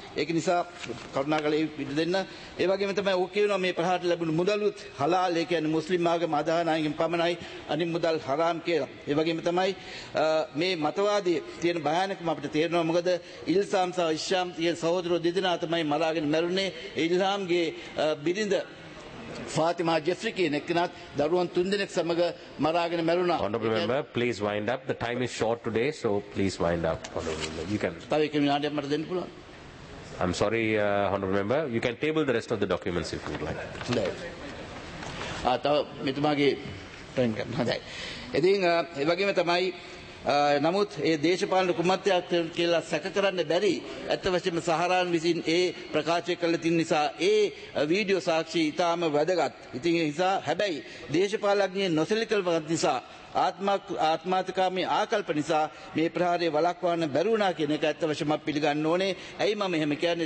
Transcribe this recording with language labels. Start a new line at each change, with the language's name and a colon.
Sinhala: ඒක නිසා කරුණාකරලා ඉඩ දෙන්න. ඒ වගේම තමයි ඔහු කියනවා මේ ප්‍රහාරට ලැබුණු මුදලුත් හලාල්, ඒ කියන්නේ මුස්ලිම් ආගම අදහන අයගෙන් පමණයි, අනිත් මුදල් හරාම් කියලා. ඒ වගේම තමයි මේ මතවාදී තියෙන භයානකම අපිට තේරෙනවා. මොකද ඉල්සාම් සහ ඉෂාම් තියෙන සහෝදරෝ දෙදෙනා තමයි මරාගෙන මැරුණේ. ඉල්සාම්ගේ බිරිඳ ෆාතිමා ජෙෆ්රි කියන එක්කෙනත් දරුවන් තුන්දෙනෙක් සමග මරාගෙන මැරුණා.
English: Honorable member, please wind up. The time is short today, so please wind up. Honorable member, you can.
Sinhala: තව එක දෙන්න පුළුවන්.
English: I'm sorry, Honorable member, you can table the rest of the documents if you would like.
Sinhala: තව මෙතුමාගේ time ගන්න. හොඳයි. ඉතින් ඒ වගේම තමයි නමුත් ඒ දේශපාලන කුමත්‍යයක් කියලා සැක කරන්න බැරි. ඇත්ත වශයෙන්ම සහරාන් විසින් ඒ ප්‍රකාශය කළ තින් නිසා ඒ වීඩියෝ සාක්ෂි ඉතාම වැදගත්. ඉතින් ඒ නිසා හැබැයි දේශපාලඥයේ නොසලිකල්පත් නිසා ආත්මාත්කාමී ආකල්ප නිසා මේ ප්‍රහාරය වළක්වන්න බැරුණා කියන එක ඇත්ත වශයෙන්ම පිළිගන්න ඕනේ. ඇයි මම එහෙම කියන්නේ?